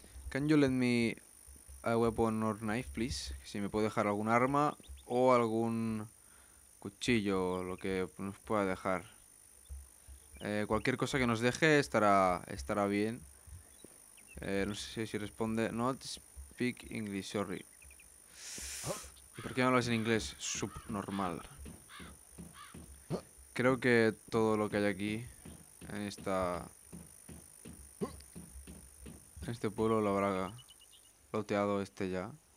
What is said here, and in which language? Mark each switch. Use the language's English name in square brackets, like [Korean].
[English] Can you lend me a weapon or knife, please? [Spanish] Si me puede dejar algún arma o algún cuchillo, lo que nos pueda dejar. Cualquier cosa que nos deje estará bien. No sé si responde. [English] Not speak English, sorry. [Spanish] ¿Y por qué no hablas en inglés? Subnormal. Creo que todo lo que hay aquí, en este pueblo lo habrá loteado este ya.